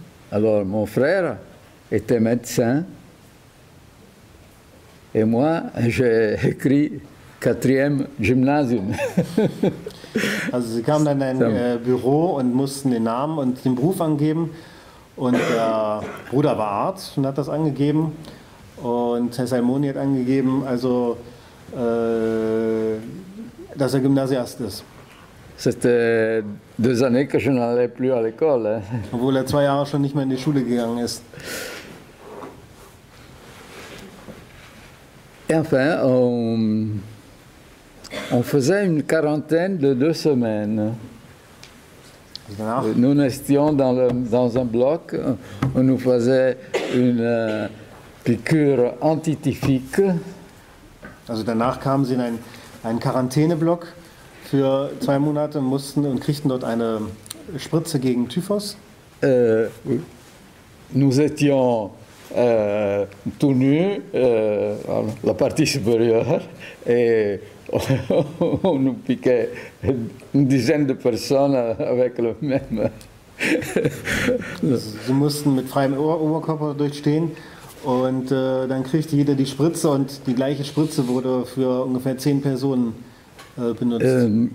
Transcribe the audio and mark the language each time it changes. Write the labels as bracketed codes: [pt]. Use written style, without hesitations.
[fr] Alors mon frère était médecin et moi j'ai écrit 4e gymnasium. [de] Also sie kamen dann in ein Bureau und mussten den Namen und den Beruf angeben. Und der Bruder war Arzt und hat das angegeben. Und Herr Salmoni hat angegeben, also, dass er Gymnasiast ist. [fr] C'était deux années que je n'allais plus à l'école. [de] Obwohl er 2 Jahre schon nicht mehr in die Schule gegangen ist. [fr] Et enfin, on faisait une quarantaine de 2 semaines. Nous restions dans un bloc, on nous faisait une piqûre antitifique. [de] Also danach kamen sie in einen Quarantäneblock für 2 Monate und kriegten dort eine Spritze gegen Typhus. [fr] Nous étions tout nus, la partie supérieure, et on nous piquait une dizaine de personnes avec le même. [de] Sie mussten mit freiem Oberkörper durchstehen, und dann kriegte jeder die Spritze, und die gleiche Spritze wurde für ungefähr 10 Personen benutzt.